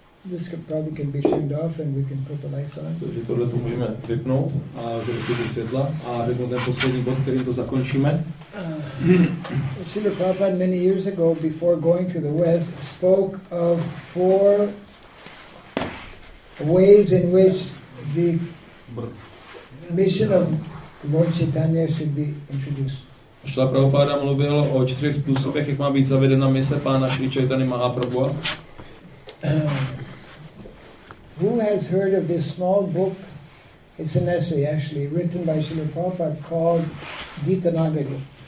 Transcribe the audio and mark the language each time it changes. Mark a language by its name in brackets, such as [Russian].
[English] This probably can be turned off and we can put the lights on. [Czech] Takže tohle to můžeme vypnout a zrušit světla a řeknu ten poslední bod, kterým to zakončíme. [English] Srila Prabhupada many years ago, before going to the West, spoke of four ways in which the mission of Lord Chaitanya should be introduced. [Czech] Srila Prabhupada mluvil o čtyřech způsobech, jak má být zavedena mise pána Srila Chaitanya Mahaprabhu. [English] Who has heard of this small book? It's an essay, actually, written by Srila Prabhupada called Gita Nagari.